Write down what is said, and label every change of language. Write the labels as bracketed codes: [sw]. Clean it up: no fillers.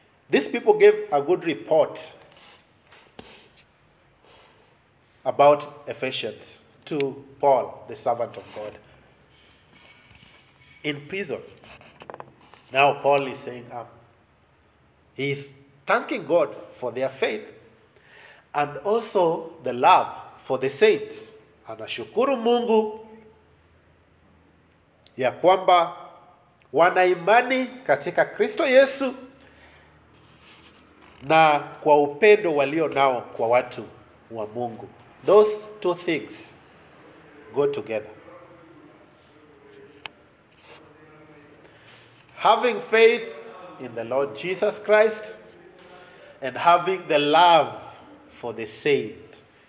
[en] These people gave a good report about Ephesians to Paul, the servant of God, in prison. Now Paul is saying, he's thanking God for their faith and also the love for the saints. [sw] Anashukuru Mungu ya kwamba wana imani katika Kristo Yesu na kwa upendo walio nao kwa watu wa Mungu. [en] Those two things go together. Having faith in the Lord Jesus Christ and having the love for the saint.